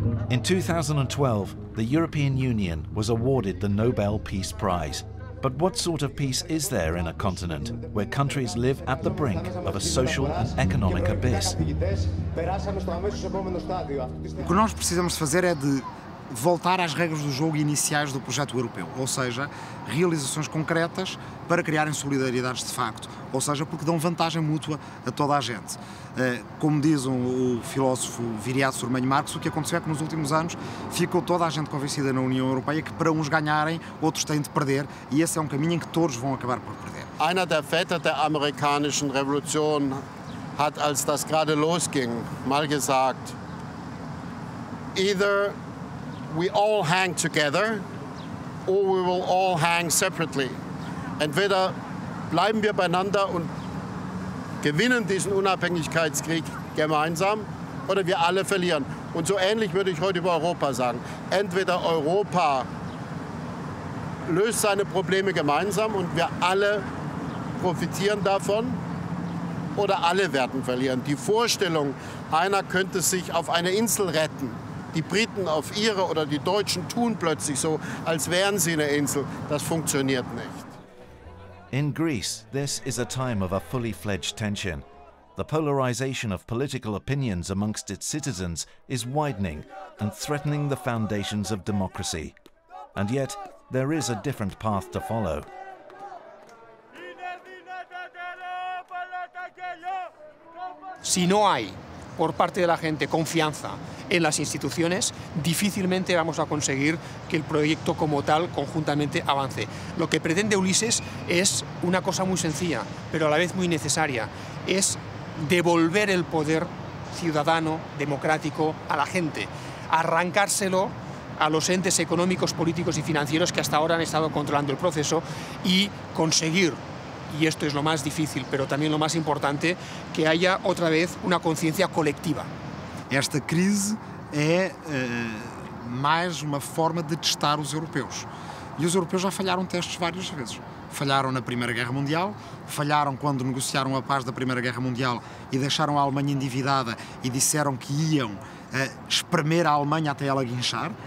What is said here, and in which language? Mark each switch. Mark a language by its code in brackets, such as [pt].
[en] In 2012, the European Union was awarded the Nobel Peace Prize. But what sort of peace is there in a continent where countries live at the brink of a social and economic abyss? [pt] O que nós precisamos fazer é de voltar às regras do jogo iniciais do projeto europeu, ou seja, realizações concretas para criarem solidariedades de facto, ou seja, porque dão vantagem mútua a toda a gente. Como diz o filósofo Viriato Surmanho Marx, o que aconteceu é que nos últimos anos ficou toda a gente convencida na União Europeia que para uns ganharem, outros têm de perder, e esse é um caminho em que todos vão acabar por perder. [de] Einer der Väter der amerikanischen Revolution hat, als das gerade losging, mal gesagt: [en] Either we all hang together, or we will all hang separately. [de] Entweder bleiben wir beieinander und gewinnen diesen Unabhängigkeitskrieg gemeinsam, oder wir alle verlieren. Und so ähnlich würde ich heute über Europa sagen. Entweder Europa löst seine Probleme gemeinsam und wir alle profitieren davon, oder alle werden verlieren. Die Vorstellung, einer könnte sich auf eine Insel retten, die Briten auf ihre oder die Deutschen tun plötzlich so, als wären sie eine Insel, das funktioniert nicht. [en] In Greece, this is a time of a fully fledged tension. The polarization of political opinions amongst its citizens is widening and threatening the foundations of democracy. And yet, there is a different path to follow. [es] Si no hay por parte de la gente confianza en las instituciones, difícilmente vamos a conseguir que el proyecto como tal conjuntamente avance. Lo que pretende Ulysses es una cosa muy sencilla, pero a la vez muy necesaria, es devolver el poder ciudadano, democrático, a la gente, arrancárselo a los entes económicos, políticos y financieros que hasta ahora han estado controlando el proceso y conseguir, y esto es lo más difícil, pero también lo más importante, que haya otra vez una conciencia colectiva. [pt] Esta crise é mais uma forma de testar os europeus. E os europeus já falharam testes várias vezes. Falharam na Primeira Guerra Mundial, falharam quando negociaram a paz da Primeira Guerra Mundial e deixaram a Alemanha endividada e disseram que iam espremer a Alemanha até ela guinchar.